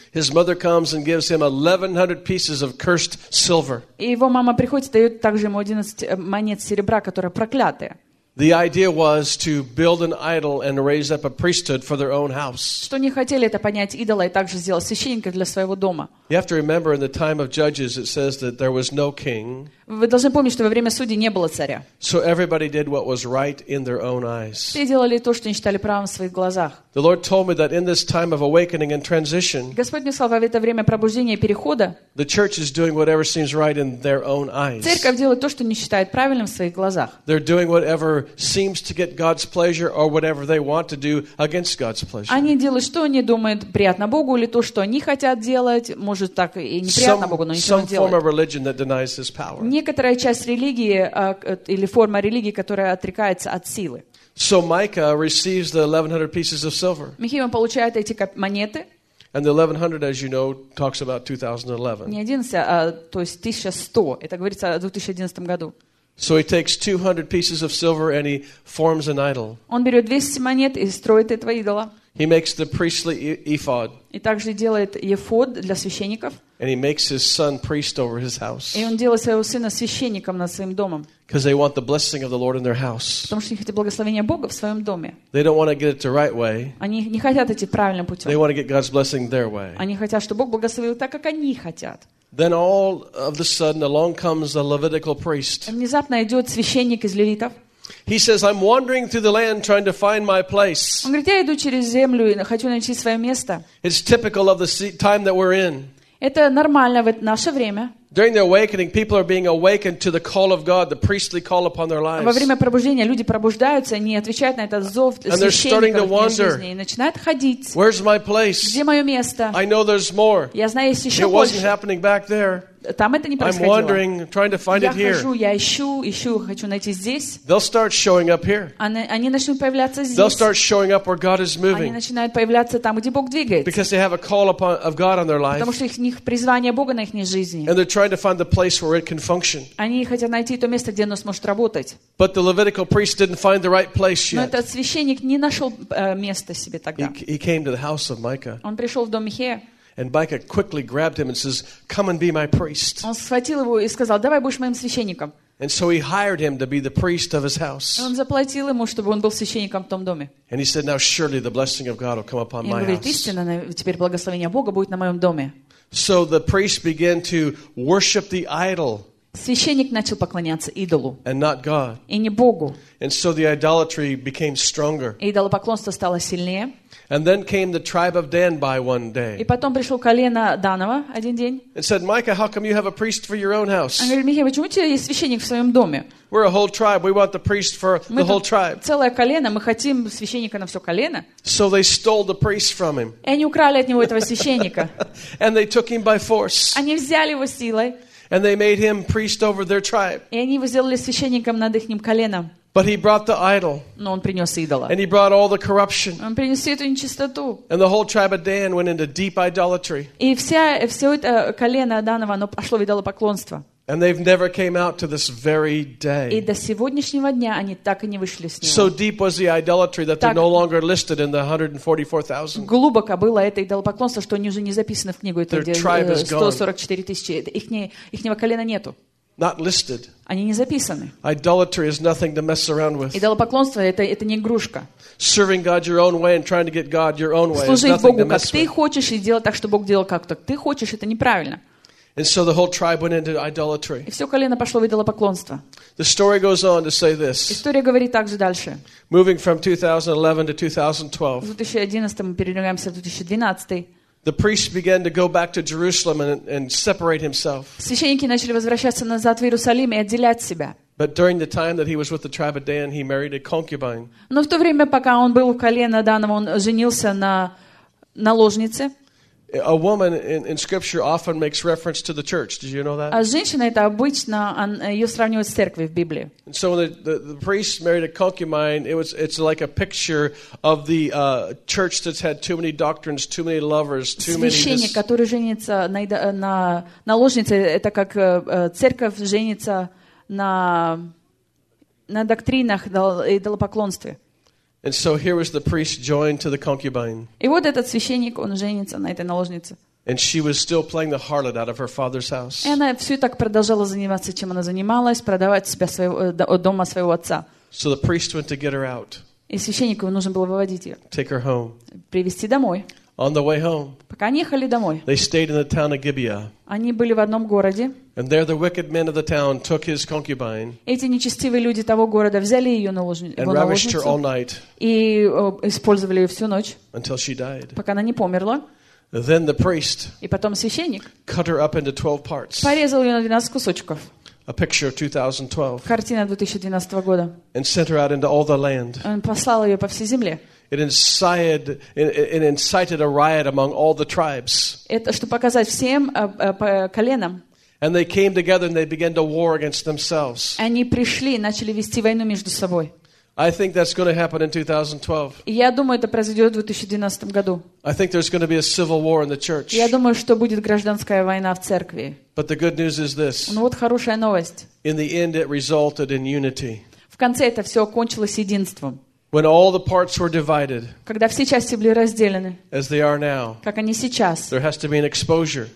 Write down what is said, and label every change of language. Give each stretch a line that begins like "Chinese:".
English: His mother comes and gives him 1100 pieces of cursed silver.
Russian: И его мама приходит и дает также ему 11 монет серебра, которые проклятые.
English: The idea was to build an idol and raise up a priesthood for their own house.
Russian: Что они хотели, это понять идола и также сделать священника для своего дома.
English: You have to remember, in the time of Judges, it says that there was no king.
Russian: Вы должны помнить, что во время судей не было царя.
English: So everybody did what was right in their own eyes.
Russian: Все делали то, что они считали правым в своих глазах.
English: The Lord told me that in this time of awakening and transition,
Russian: Господь мне сказал, в это время пробуждения и перехода,
English: the church is doing whatever seems right in their own eyes.
Russian: Церковь делает то, что не считает правильным в своих глазах.
English: They're doing whatever seems to get God's pleasure or whatever they want to do against God's pleasure.
Russian: Они делают, что они думают приятно Богу, или то, что они хотят делать, может так и неприятно Богу, но ничего не делают.
English: Some form of religion that denies His power.
Russian: Некоторая часть религии или форма религии, которая отрекается от силы.
English: So Micah receives the 1100 pieces of silver.
Russian: Михей получает эти монеты.
English: And the 1100, as you know, talks about 2011.
Russian: Не 11, а то есть 1100. Это говорится о 2011 году.
English: So he takes 200 pieces of silver and he forms an idol.
Russian: Он берет 200 монет и строит этого идола.
English: He makes the priestly ephod.
Russian: И также делает ефод для священников.
English: And he makes his son priest over his house.
Russian: И он делает своего сына священником над своим домом.
English: Because they want the blessing of the Lord in their house.
Russian: Потому что они хотят благословения Бога в своем доме.
English: They don't want to get it the right way.
Russian: Они не хотят идти правильным путем.
English: They want to get God's blessing their way.
Russian: Они хотят, чтобы Бог благословил так, как они хотят.
English: Then all of a sudden along comes a Levitical priest.
Russian: Внезапно идет священник из левитов.
English: He says, "I'm wandering through the land trying to find my place."
Russian: Он говорит, я иду через землю и хочу найти свое место.
English: It's typical of the time that we're in.
Russian: Это нормально в наше время.
English: During the awakening, people are being awakened to the call of God, the priestly call upon their lives.
Russian: Во время пробуждения люди пробуждаются, они отвечают на этот зов священника в жизни и начинают ходить.
English: Where's my place?
Russian: Где мое место?
English: I know there's more.
Russian: Я знаю, есть еще
English: It
Russian: больше.
English: It wasn't happening back there.
Russian: Там это не происходило.
English: I'm wandering, trying to find it here.
Russian: Я хожу, я ищу, хочу найти здесь.
English: They'll start showing up here.
Russian: Они начнут появляться здесь.
English: They'll start showing up where God is moving.
Russian: Они начинают появляться там, где Бог двигается.
English: Because they have a call upon of God on their life.
Russian: Потому что у них призвание Бога на их жизни.
English: And they're trying to find the place where it can function.
Russian: Они хотят найти то место, где оно сможет работать.
English: But the Levitical priest didn't find the right place yet.
Russian: Но этот священник не нашел места себе тогда.
English: He came to the house of Micah.
Russian: Он пришел в дом Михея.
English: And Micah quickly grabbed him and says, "Come and be my priest."
Russian: Он схватил его и сказал: "Давай будешь моим священником."
English: And so he hired him to be the priest of his house.
Russian: Он заплатил ему, чтобы он был священником в том доме.
English: And he said, "Now surely the blessing of God will come upon my house."
Russian: И говорит: "Истинно, теперь благословение Бога будет на моем доме."
English: So the priest began to worship the idol.
Russian: Священник начал поклоняться идолу.
English: And not God.
Russian: И не Богу.
English: And so the idolatry became stronger.
Russian: Идолопоклонство стало сильнее.
English: And then came the tribe of Dan by one day.
Russian: И потом пришло колено Данова один день.
English: And said, "Micah, how come you have a priest for your own house?"
Russian: Он говорит: "Михей, почему у тебя есть священник в своем доме?"
English: We're a whole tribe. We want the priest for the whole tribe.
Russian: Мы целое колено, мы хотим священника на все колено.
English: So they stole the priest from him.
Russian: И они украли от него этого священника.
English: And they took him by force.
Russian: Они взяли его силой.
English: And they made him priest over their tribe.
Russian: И они его сделали священником над ихним коленом.
English: But he brought the idol.
Russian: Но он принес идола.
English: And he brought all the corruption.
Russian: Он принес эту нечистоту.
English: And the whole tribe of Dan went into deep idolatry.
Russian: И все это колено Данова, оно пошло в идолопоклонство.
English: And they've never came out to this very day.
Russian: И до сегодняшнего дня они так и не вышли с него.
English: So deep was the idolatry that they're no longer listed in the 144,000.
Russian: Глубоко было это идолопоклонство, что они уже не записаны в книгу этой 144 тысячи. Ихнего колена нету.
English: Not listed.
Russian: Они не записаны.
English: Idolatry is nothing to mess around with.
Russian: Идолопоклонство это не игрушка.
English: Serving God your own way and trying to get God your own way.
Russian: Служить Богу как ты хочешь и делать так, чтобы Бог делал как ты хочешь, это неправильно.
English: And so the whole tribe went into idolatry.
Russian: И все колено пошло в идолопоклонство.
English: The story goes on to say this.
Russian: История говорит также дальше.
English: Moving from 2011 to 2012.
Russian: В 2011 мы перенеслись в 2012.
English: The priest began to go back to Jerusalem and separate himself.
Russian: Священники начали возвращаться назад в Иерусалим и отделять себя.
English: But during the time that he was with the tribe of Dan, he married a concubine.
Russian: Но в то время, пока он был в колене Данова, он женился на наложнице.
English: A woman in scripture often makes reference to the church. Did you know that?
Russian: А женщина это обычно ее сравнивают с церковью в Библии.
English: And so when the priest married a concubine, it's like a picture of the church that's had too many doctrines, too many lovers, too many.
Russian: Священник, который женится на наложнице, это как церковь женится на доктринах и идолопоклонстве.
English: And so here was the priest joined to the concubine.
Russian: И вот этот священник, он женится на этой наложнице.
English: And she was still playing the harlot out of her father's house.
Russian: И она все так продолжала заниматься, чем она занималась, продавать себя от дома своего отца.
English: So the priest went to get her out.
Russian: И священнику нужно было выводить ее.
English: Take her home.
Russian: Привести домой.
English: On the way home.
Russian: Пока они ехали домой.
English: They stayed in the town of Gibeah.
Russian: Они были в одном городе.
English: And there the wicked men of the town took his concubine.
Russian: Эти нечестивые люди того города взяли ее наложницу.
English: And ravished her all night.
Russian: И использовали ее всю ночь.
English: Until she died.
Russian: Пока она не померла.
English: Then the priest.
Russian: И потом священник.
English: Cut her up into 12 parts.
Russian: Порезал ее на 12 кусочков.
English: A picture of 2012.
Russian: Картина 2012 года.
English: And sent her out into all the land.
Russian: Он послал ее по всей земле.
English: It incited a riot among all the tribes.
Russian: Это чтобы показать всем коленам.
English: And they came together and they began to war against themselves.
Russian: Они пришли и начали вести войну между собой.
English: I think that's going to happen in 2012.
Russian: Я думаю, это произойдет в 2012 году.
English: I think there's going to be a civil war in the church.
Russian: Я думаю, что будет гражданская война в церкви.
English: But the good news is this.
Russian: Ну вот хорошая новость.
English: In the end, it resulted in unity.
Russian: В конце это все окончилось единством.
English: When all the parts were divided,
Russian: когда все части были разделены,
English: as they are now,
Russian: как они сейчас,
English: there has to be an exposure,